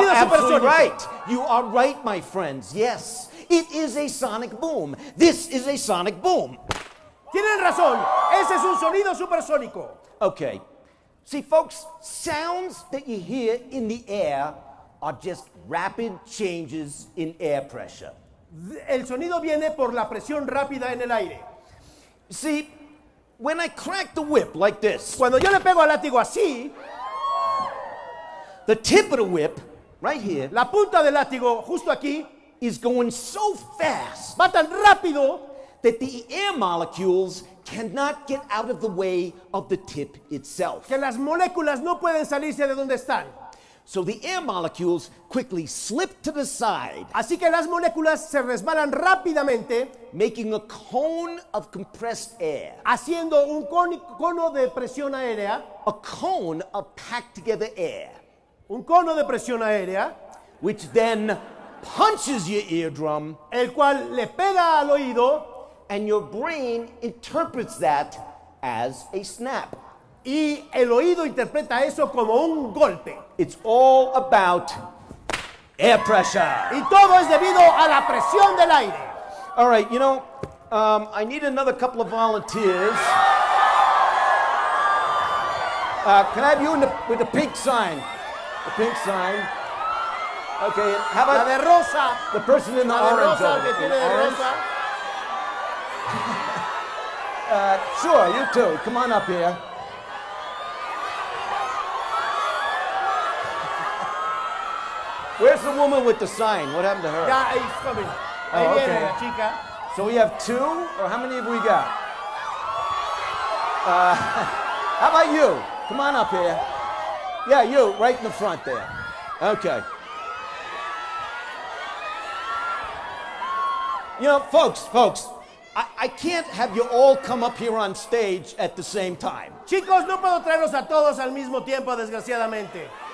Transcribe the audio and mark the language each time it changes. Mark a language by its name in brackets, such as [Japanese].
[English] you are absolutely right. You are right, my friends. Yes, it is a sonic boom. This is a sonic boom. [Spanish] Tienen razón. Ese es un sonido supersónico. [English] Okay. See, folks, sounds that you hear in the air are just rapid changes in air pressure. [Spanish] El sonido viene por la presión rápida en el aire. [English] See, when I crack the whip like this, [Spanish] cuando yo le pego al látigo así, [English] the tip of the whip right here, [Spanish] la punta del látigo, justo aquí, [English] is going so fast, [Spanish] va tan rápido, [English] that the air molecules cannot get out of the way of the tip itself. [Spanish] Que las moléculas no pueden salirse de donde están. [English] So the air molecules quickly slip to the side. [Spanish] Así que las moléculas se resbalan rápidamente, [English] making a cone of compressed air. [Spanish] Haciendo un cono de presión aérea. [English] A cone of packed together air. [Spanish] Un cono de presión aérea. [English] Which then punches your eardrum. [Spanish] El cual le pega al oído. [English] And your brain interprets that as a snap. [Spanish] Y el oído interpreta eso como un golpe. [English] It's all about air pressure. [Spanish] Y todo es debido a la presión del aire. [English] All right, you know, I need another couple of volunteers. Can I have you with the pink sign? The pink sign. Okay, how about [Spanish] la de rosa. [English] The person in the [Spanish] la de [English] orange [Spanish] rosa, que tiene de rosa. [English] Sure, you too. Come on up here. Where's the woman with the sign? What happened to her? Yeah, he's coming. Oh, okay. [Spanish] Viene, chica. [English] So we have two, or how many have we got? How about you? Come on up here. Yeah, you, right in the front there. Okay. You know, folks, I can't have you all come up here on stage at the same time. [Spanish] Chicos, no puedo traerlos a todos al mismo tiempo, desgraciadamente.